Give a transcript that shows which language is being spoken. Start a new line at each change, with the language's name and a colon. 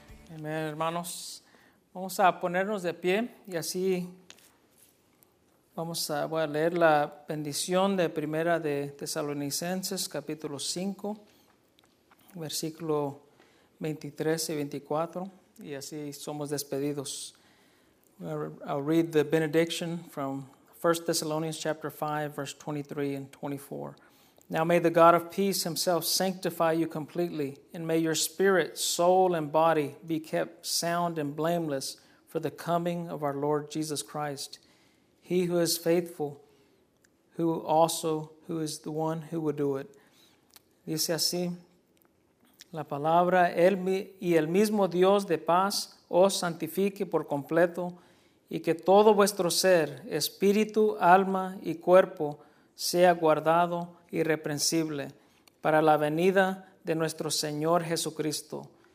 Spanish: Hermanos, vamos a ponernos de pie y así voy a leer la bendición de Primera de Tesalonicenses, capítulo 5, versículo 23 y 24, y así somos despedidos.
English: I'll read the benediction from 1 Thessalonians chapter 5, verse 23 and 24. Now may the God of peace himself sanctify you completely, and may your spirit, soul, and body be kept sound and blameless for the coming of our Lord Jesus Christ. He who is faithful, who is the one who will do it.
Spanish: Dice así, la palabra, y el mismo Dios de paz os santifique por completo, y que todo vuestro ser, espíritu, alma, y cuerpo sea guardado irreprensible para la venida de nuestro Señor Jesucristo.